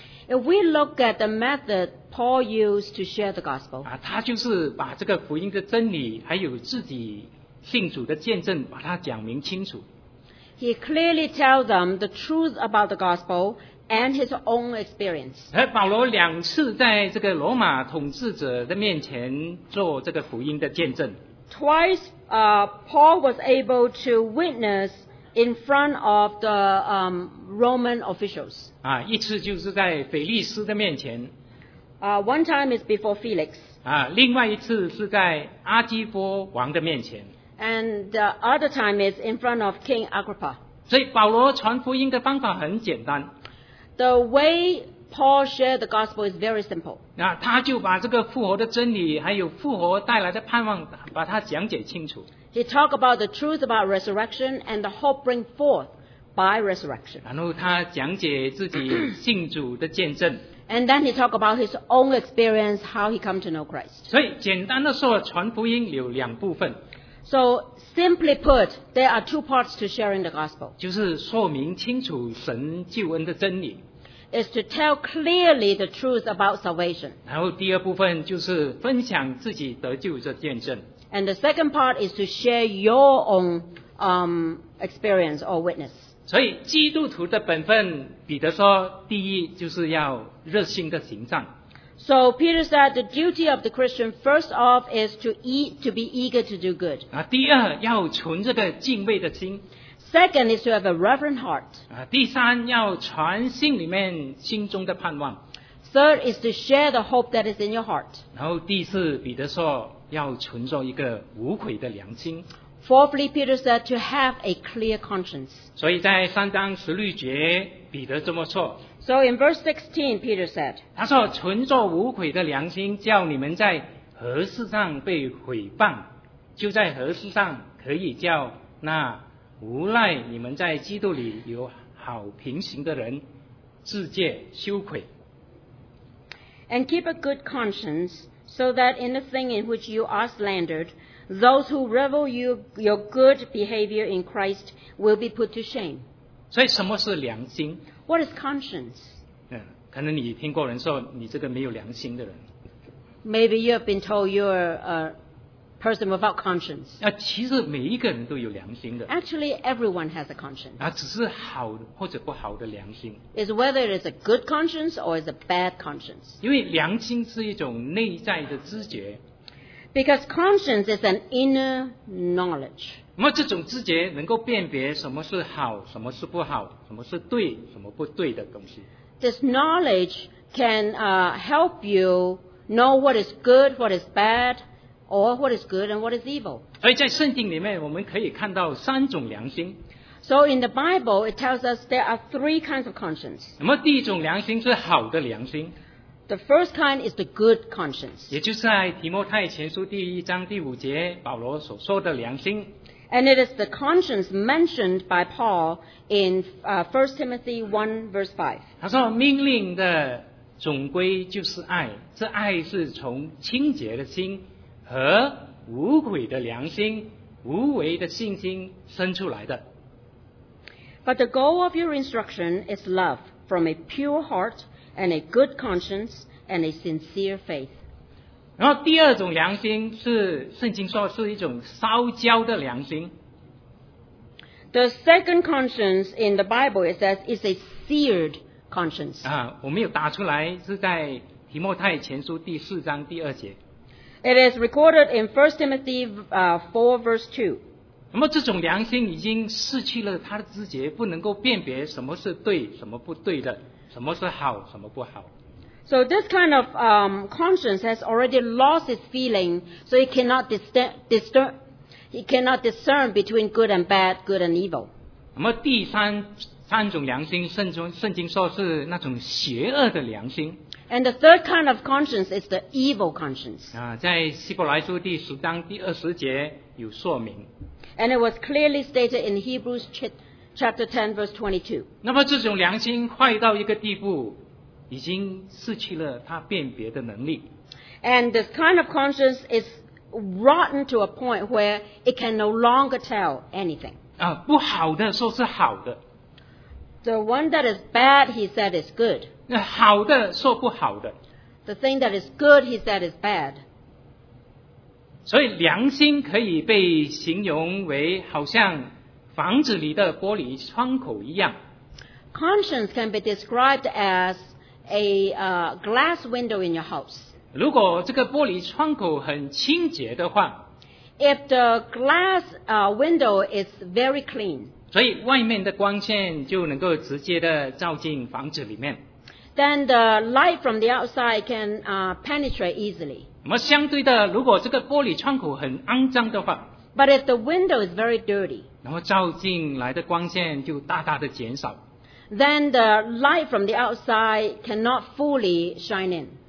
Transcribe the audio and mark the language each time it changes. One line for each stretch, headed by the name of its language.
English: If we look at the method Paul used to share the gospel,
Chinese: 他就是把这个福音的真理还有自己信主的见证把它讲明清楚。
English: He clearly tells them the truth about the gospel and his own experience.
Chinese: 而保罗两次在这个罗马统治者的面前做这个福音的见证。
English: Twice, Paul was able to witness in front of the Roman officials.
Chinese: 一次就是在腓力斯的面前。
English: One time is before Felix.
Chinese: 另外一次是在阿基波王的面前。
English: And the other time is in front of King Agrippa.
Chinese: 所以保罗传福音的方法很简单。
English: The way Paul shared the gospel is very simple.
Chinese: 他就把这个复活的真理，还有复活带来的盼望，把它讲解清楚。
English: He talked about the truth about resurrection and the hope bring forth by resurrection.
Chinese: 然后他讲解自己信主的见证。
English: And then he talked about his own experience, how he came to know Christ.
Chinese: 所以简单的说，传福音有两部分。
English: So simply put, there are two parts to sharing the gospel.
Chinese: 就是说明清楚神救恩的真理。
English: Is to tell clearly the truth about salvation.
Chinese: 然后第二部分就是分享自己得救的见证。
English: And the second part is to share your own experience or witness.
Chinese: 所以基督徒的本分，彼得说，第一就是要热心的行善。
English: So Peter said the duty of the Christian first off is to be eager to do good.
Chinese: 第二要存这个敬畏的心。
English: Second is to have a reverent heart.
Chinese: 第三要传心里面心中的盼望。
English: Third is to share the hope that is in your heart.
Chinese: 然后第四彼得说要存着一个无愧的良心。
English: Fourthly, Peter said to have a clear conscience.
Chinese: 所以在三章十六节彼得这么说。
English: So in verse 16, Peter said,
Chinese: 他说存着无愧的良心，叫你们在何事上被毁谤，就在何事上可以叫那无赖你们在基督里有好平行的人自戒羞愧。
English: And keep a good conscience, so that in the thing in which you are slandered, those who revel your good behavior in Christ will be put to shame.
Chinese: 所以什么是良心？
English: What is conscience?
Chinese: 可能你听过人说你这个没有良心的人。
English: Maybe you have been told you're a person without conscience.
Chinese: 其实每一个人都有良心的。
English: Actually, everyone has a conscience.
Chinese: 只是好或者不好的良心。
English: It's whether it is a good conscience or it's a bad conscience.
Chinese: 因为良心是一种内在的知觉。
English: Because conscience is an inner knowledge.
Chinese: 那么这种知觉能够辨别什么是好，什么是不好，什么是对，什么不对的东西。
English: This knowledge can help you know what is good, what is bad, or what is good and what is evil.
Chinese: 所以在圣经里面我们可以看到三种良心。
English: So in the Bible, it tells us there are three kinds of conscience.
Chinese: 那么第一种良心是好的良心。
English: The first kind is the good conscience.
Chinese: 也就是在提摩太前书第一章第五节保罗所说的良心。
English: And it is the conscience mentioned by Paul in 1 Timothy 1 verse 5.
Chinese: 他说命令的总归就是爱，这爱是从清洁的心和无愧的良心、无为的信心生出来的。
English: But the goal of your instruction is love from a pure heart and a good conscience and a sincere faith.
Chinese: 然后第二种良心是圣经说是一种烧焦的良心。
English: The second conscience in the Bible it says is a seared conscience.
Chinese: 我没有打出来，是在提摩太前书第四章第二节。
English: It is recorded in 1 Timothy 4 verse 2.
Chinese: 那么这种良心已经失去了它的知觉，不能够辨别什么是对，什么不对的。什么是好，什么不好。
English: So this kind of conscience has already lost its feeling, so it cannot discern between good and bad, good and evil.
Chinese: 那么第三种良心，圣经说是那种邪恶的良心。
English: And the third kind of conscience is the evil conscience.
Chinese: 在希伯来书第十章第二十节有说明。
English: And it was clearly stated in Hebrews chapter 10 verse 22.
Chinese: 那么这种良心坏到一个地步，已经失去了它辨别的能力。
English: And this kind of conscience is rotten to a point where it can no longer tell anything.
Chinese: 不好的说是好的。
English: The one that is bad, he said is good.
Chinese: 好的说不好的。
English: The thing that is good, he said is bad.
Chinese: 所以良心可以被形容为好像房子里的玻璃窗口一样。
English: Conscience can be described as a glass window in your house.
Chinese: 如果这个玻璃窗口很清洁的话。
English: If the glass window is very clean.
Chinese: 所以外面的光线就能够直接的照进房子里面。
English: then the light from the outside can penetrate easily.
Chinese: 那么相对的，如果这个玻璃窗口很肮脏的话，
English: but if the window is very dirty,
Chinese: 那么照进来的光线就大大的减少。
English: Then the light from the outside cannot fully shine in.